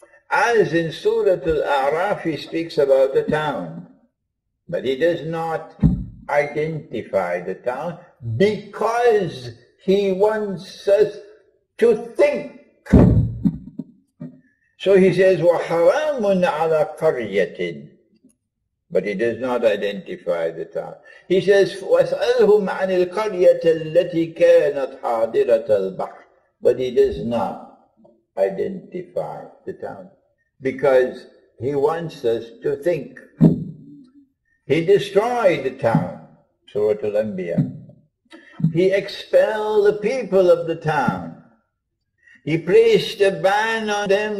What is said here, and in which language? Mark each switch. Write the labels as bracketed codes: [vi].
[en] As in Surah Al-A'raf, He speaks about a town, but He does not identify the town because He wants us to think. So He says, [ar] وَحَرَامٌ عَلَىٰ قَرْيَةٍ. [en] But He does not identify the town. He says, [ar] وَاسْأَلْهُمْ عَنِ الْقَرْيَةَ الَّتِي كَانَتْ حَادِرَةَ الْبَحْرِ. [en] But He does not identify the town. Because He wants us to think. He destroyed the town, Surah Al-Anbiya. He expelled the people of the town. He placed a ban on them.